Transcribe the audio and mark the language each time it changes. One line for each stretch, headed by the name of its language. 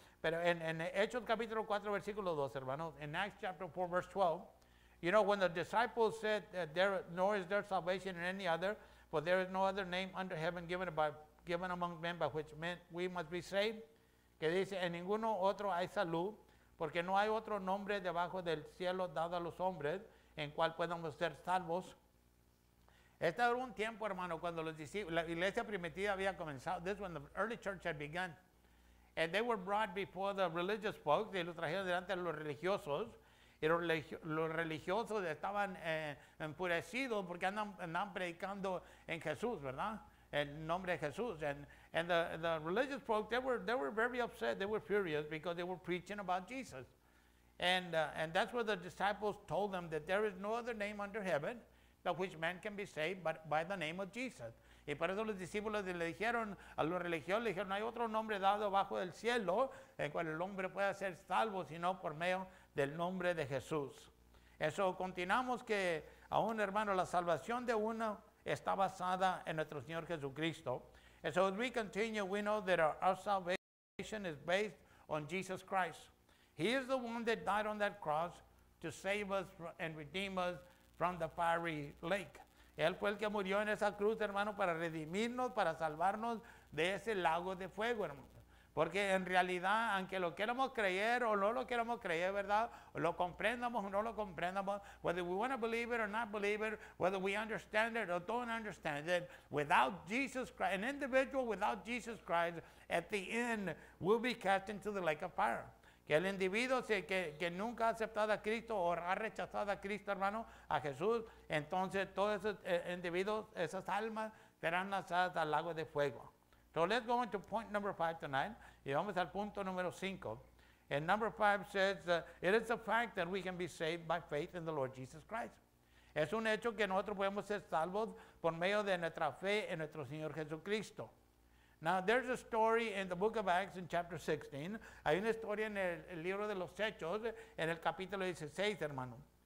Spanish: Pero en Hechos capítulo 4, versículo 12, hermano.
English: In Acts chapter 4, verse 12. You know, when the disciples said, nor is there salvation in any other, for there is no other name under heaven given among men by which men we must be saved.
Spanish: Que dice, en ninguno otro hay salud, porque no hay otro nombre debajo del cielo dado a los hombres en cual podamos ser salvos. Este era un tiempo, hermano, cuando los discípulos, la iglesia primitiva había comenzado.
English: This is when the early church had begun. And they were brought before the religious folks.
Spanish: Y los trajeron delante de los religiosos. Y los religiosos estaban enfurecidos porque andan predicando en Jesús, ¿verdad? En nombre de Jesús.
English: And the religious folks, they were very upset. They were furious because they were preaching about Jesus. And that's what the disciples told them, that there is no other name under heaven by which man can be saved, but by the name of Jesus.
Spanish: Y por eso los discípulos le dijeron a los religiosos, le dijeron, no hay otro nombre dado bajo el cielo en cual el hombre pueda ser salvo, sino por medio del nombre de Jesús. Eso, continuamos que aún, hermano, la salvación de uno está basada en nuestro Señor Jesucristo.
English: And so as we continue, we know that our salvation is based on Jesus Christ. He is the one that died on that cross to save us and redeem us from the fiery lake.
Spanish: Él fue el que murió en esa cruz, hermano, para redimirnos, para salvarnos de ese lago de fuego, hermano. Porque en realidad, aunque lo queramos creer o no lo queramos creer, ¿verdad? Lo comprendamos o no lo comprendamos.
English: Whether we want to believe it or not believe it. Whether we understand it or don't understand it. Without Jesus Christ, an individual without Jesus Christ, at the end, will be cast into the lake of fire.
Spanish: Que el individuo que nunca ha aceptado a Cristo o ha rechazado a Cristo, hermano, a Jesús, entonces todos esos individuos, esas almas, serán lanzadas al lago de fuego.
English: So let's go into point number five tonight.
Spanish: Y vamos al punto número cinco.
English: And number five says, it is a fact that we can be saved by faith in the Lord Jesus Christ.
Spanish: Es un hecho que nosotros podemos ser salvos por medio de nuestra fe en nuestro Señor Jesucristo.
English: Now there's a story in the book of Acts in chapter 16.
Spanish: Hay una historia en el libro de los Hechos en el capítulo 16, hermano.